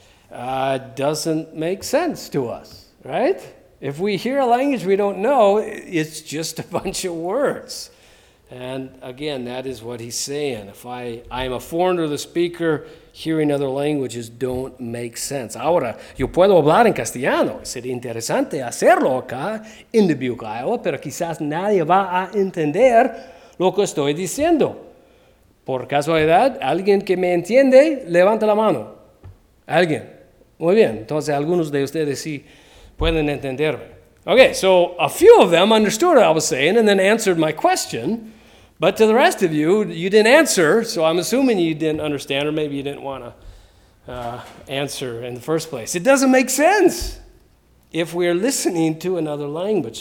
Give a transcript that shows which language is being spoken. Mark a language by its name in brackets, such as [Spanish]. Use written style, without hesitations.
[English] Doesn't make sense to us, right? If we hear a language we don't know, it's just a bunch of words. And again, that is what he's saying. If I am a foreigner, the speaker, hearing other languages don't make sense. [Spanish] Ahora, yo puedo hablar en castellano. Sería interesante hacerlo acá en Dubuque, Iowa, pero quizás nadie va a entender lo que estoy diciendo. Por casualidad, alguien que me entiende, levanta la mano. Alguien. Muy bien. Entonces, algunos de ustedes sí pueden entenderme. [English] Okay, so a few of them understood what I was saying and then answered my question. But to the rest of you, you didn't answer. So I'm assuming you didn't understand, or maybe you didn't want to answer in the first place. It doesn't make sense if we're listening to another language.